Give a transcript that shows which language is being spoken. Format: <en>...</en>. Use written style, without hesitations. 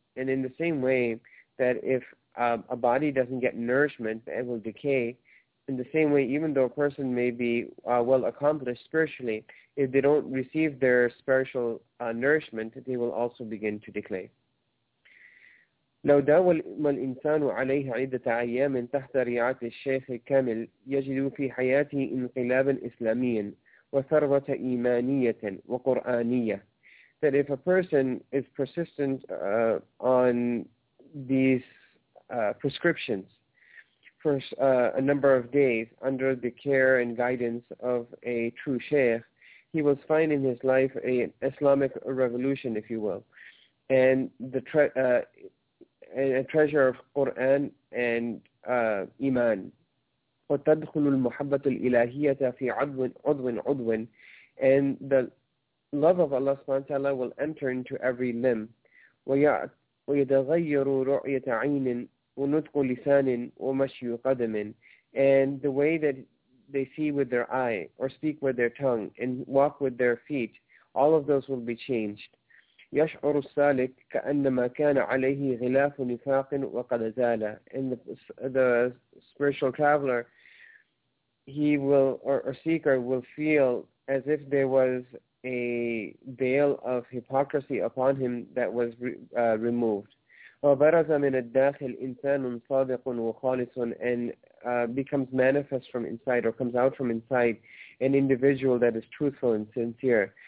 <en>And in the same way that if a body doesn't get nourishment, it will decay. In the same way, even though a person may be well accomplished spiritually, if they don't receive their spiritual nourishment, they will also begin to decay.</en> <ar>لو داوى الإنسان عليه عدة أيام تحت رعاية الشيخ الكامل يجد في حياته انقلابا إسلاميا وثروة إيمانية وقرآنية.</ar> <en>That if a person is persistent on these prescriptions for a number of days under the care and guidance of a true sheikh, he will find in his life an Islamic revolution, if you will. And the a treasure of Quran and Iman.</en> <ar>وتدخل المحبة الإلهية في عضو عضو</ar> <en>عضو and the love of Allah subhanahu wa ta'ala will enter into every limb</en> <ar>ويتغير رؤية عين ونطق لسان ومشي قدم</ar> <en>and the way that they see with their eye or speak with their tongue and walk with their feet, all of those will be changed.</en> <ar>يشعر السالك كأنما كان عليه غلاف نفاق وقد زال.</ar> <en>And the spiritual traveler, he will, or seeker, will feel as if there was a veil of hypocrisy upon him that was removed.</en> <ar>وبرز من الداخل إنسان صادق وخالص</ar> <en>and becomes manifest from inside or comes out from inside an individual that is truthful and sincere.</en>